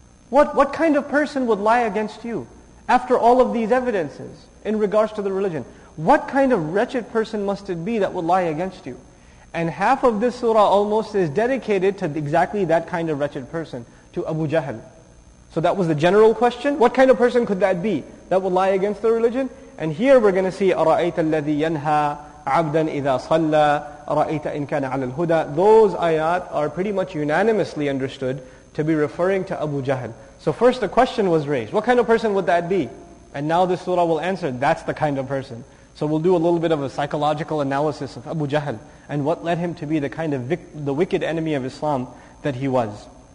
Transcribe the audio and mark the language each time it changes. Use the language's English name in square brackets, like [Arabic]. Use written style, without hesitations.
[English] What kind of person would lie against you after all of these evidences in regards to the religion? What kind of wretched person must it be that would lie against you? And half of this surah almost is dedicated to exactly that kind of wretched person, to Abu Jahl. So that was the general question. What kind of person could that be that would lie against the religion? And here we're going to see, [Arabic] أَرَأَيْتَ الَّذِي يَنْهَى عَبْدًا إِذَا صَلَّى أَرَأَيْتَ إِنْ كَانَ عَلَى الْهُدَى. [English] Those ayat are pretty much unanimously understood to be referring to Abu Jahl. So first the question was raised, what kind of person would that be? And now this surah will answer, that's the kind of person. So we'll do a little bit of a psychological analysis of Abu Jahl and what led him to be the kind of the wicked enemy of Islam that he was.